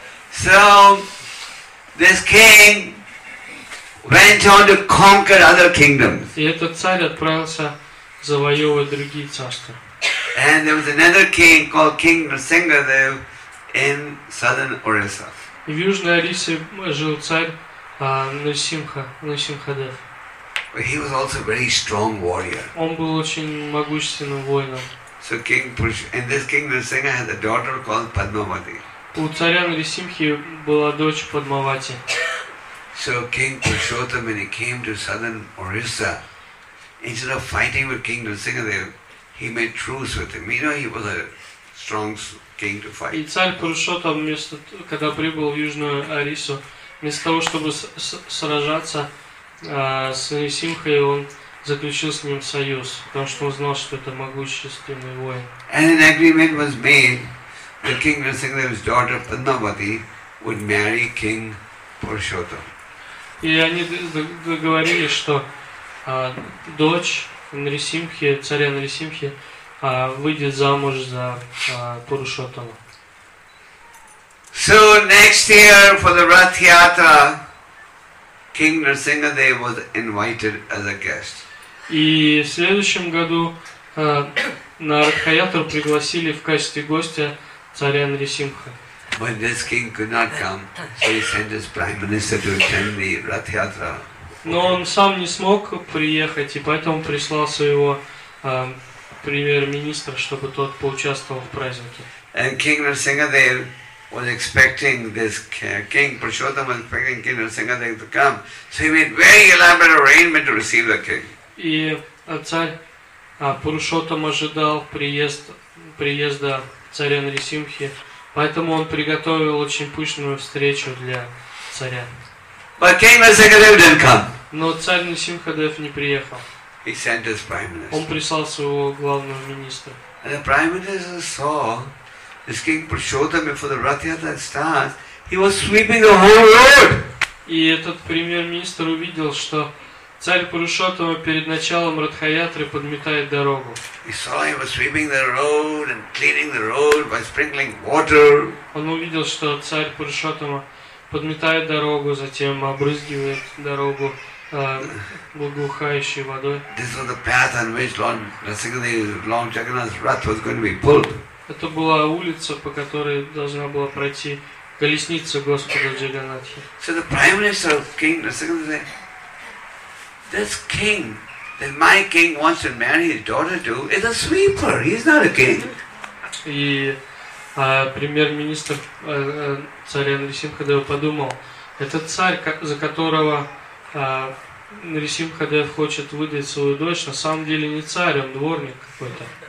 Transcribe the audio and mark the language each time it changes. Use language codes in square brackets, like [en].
[en] So this king went on to conquer other kingdoms. [ru] И этот царь отправился завоевывать другие царства. [en] And there was another king called King Narsingadev in southern Orissa. [ru] В Южной Орисе жил царь Нарсимхадев. [en] He was also a very strong warrior. [ru] Он был очень могущественным воином. [en] So King and this King Narsingha had a daughter called Padmavati. [ru] У царя Нарсимхи была дочь Падмавати. [en] So King Purushottam, when he came to southern Orissa, instead of fighting with King Narsingadev, he made truce with him. You know, he was a strong king to fight. [ru] И царь Пурушоттам, когда прибыл в Южную Орису, вместо того, чтобы сражаться с Нарсимхой, он заключил с ним союз, потому что он знал, что это могущественный воин. [en] And an agreement was made that King Narsingadev's daughter Padmavati would marry King Purushottam. [ru] И они договорились, что дочь Нарисимхи, царя Нарисимхи, выйдет замуж за Пурушоттама. [en] So next year for the Rath Yatra, King Narsingadev was invited as a guest. [ru] И в следующем году на Рath Yatra пригласили в качестве гостя царя Нарисимха. [en] But this king could not come, so he sent his prime minister to attend the Rath Yatra. [ru] Но он сам не смог приехать, и поэтому прислал своего премьер-министра, чтобы тот поучаствовал в празднике. [en] And King Narsingadev was expecting this king. Purushottam was expecting King Narsingadev to come, so he made very elaborate arrangement to receive the king. [ru] И царь Пурушоттам ожидал приезда царя Нарисимхи, поэтому он приготовил очень пышную встречу для царя. [en] But King Narsingadev didn't come. [ru] Но царь Нарсимхадев не приехал. [en] He sent his prime minister. [ru] Он прислал своего главного министра. [en] And the prime minister saw this King Purushottam before the Rath Yatra starts. He was sweeping the whole road. [ru] И этот премьер-министр увидел, что царь Пурушоттама перед началом Ратха Ятры подметает дорогу. [en] He saw him sweeping the road and cleaning the road by sprinkling water. [ru] Он увидел, что царь Пурушоттама подметает дорогу, затем обрызгивает дорогу благоухающей водой. [en] This was the path on which Lord Jagannath's Rath was going to be pulled. [ru] Это была улица, по которой должна была пройти колесница Господа Джаганнатхи. [en] So the prime minister of King Narsingadev said, this king that my king wants to marry his daughter to is a sweeper, he's not a king. [ru] И премьер-министр царя Нарисимхадева подумал, этот царь, за которого Нарисимхадев хочет выдать свою дочь, на самом деле не царь, он дворник какой-то.